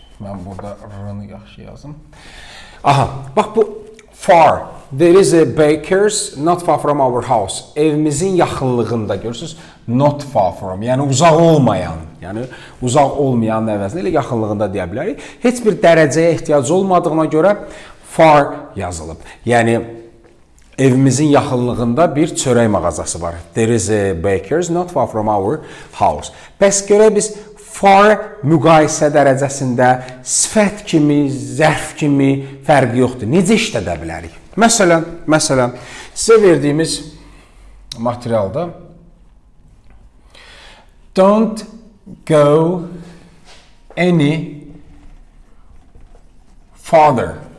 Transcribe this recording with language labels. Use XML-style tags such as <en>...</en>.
<az>Ben burada r'ını yaxşı yazdım. Aha, bak bu far.</az> <en>There is a baker's not far from our house.</en> <az>Evimizin yaxınlığında görürsünüz.</az> <en>Not far from,</en> <az>yəni uzaq olmayan. Yəni uzaq olmayanın əvəzində elə yaxınlığında deyə bilərik. Heç bir dərəcəyə ehtiyac olmadığına görə far yazılıb. Yəni evimizin yaxınlığında bir çörək mağazası var.</az> <en>There is a baker's not far from our house.</en> <az>Bəs görək biz far müqayisə dərəcəsində sifət kimi, zərf kimi fərqi yoxdur. Necə işlədə bilərik? Məsələn, sizə verdiyimiz materialda</az> <en>don't go any farther.</en>